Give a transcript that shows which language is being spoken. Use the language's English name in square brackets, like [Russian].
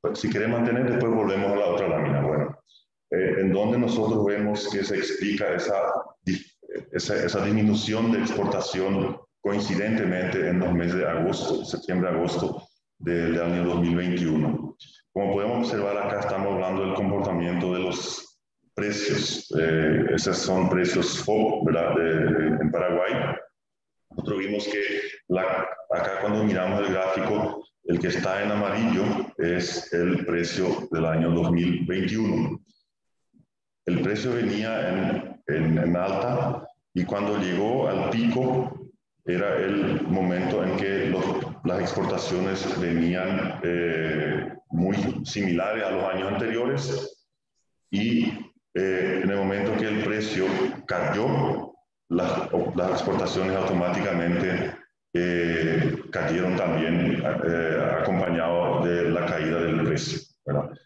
[Spanish] Si quiere mantener, después volvemos a la otra lámina. Bueno, en donde nosotros vemos que se explica esa disminución de exportación coincidentemente en los meses de agosto, septiembre-agosto del año 2021. Como podemos observar, acá estamos hablando del comportamiento de los [Portuguese] preços, esses são preços foco, verdade, em Paraguai. [Spanish] Nosotros vimos que acá cuando miramos el gráfico, el que está en amarillo es el precio del año 2021. El precio venía en alta y cuando llegó al pico era el momento en que las exportaciones venían muy similares a los años anteriores y en el momento que el precio cayó, las exportaciones automáticamente cayeron también acompañado de la caída del precio, ¿verdad?